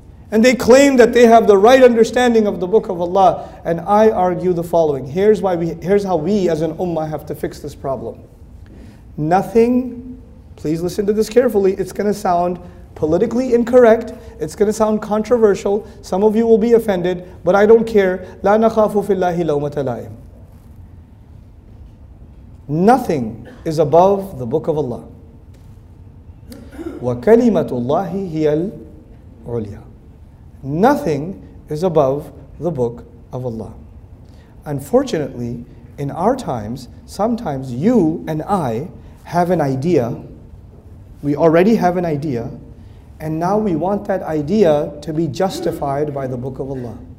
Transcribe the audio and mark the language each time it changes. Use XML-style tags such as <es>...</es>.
<en>And they claim that they have the right understanding of the Book of Allah. And I argue the following. Here's how we as an ummah have to fix this problem. Nothing, please listen to this carefully, it's going to sound politically incorrect, it's going to sound controversial, some of you will be offended, but I don't care.</en> <ar>لا نخاف في الله لومة لائم.</ar> <en>Nothing is above the Book of Allah.</en> <ar>وَكَلِمَةُ اللَّهِ هِيَ الْعُلْيَا.</ar> <en>Nothing is above the Book of Allah. Unfortunately, in our times, sometimes you and I have an idea, we already have an idea, and now we want that idea to be justified by the Book of Allah.</en>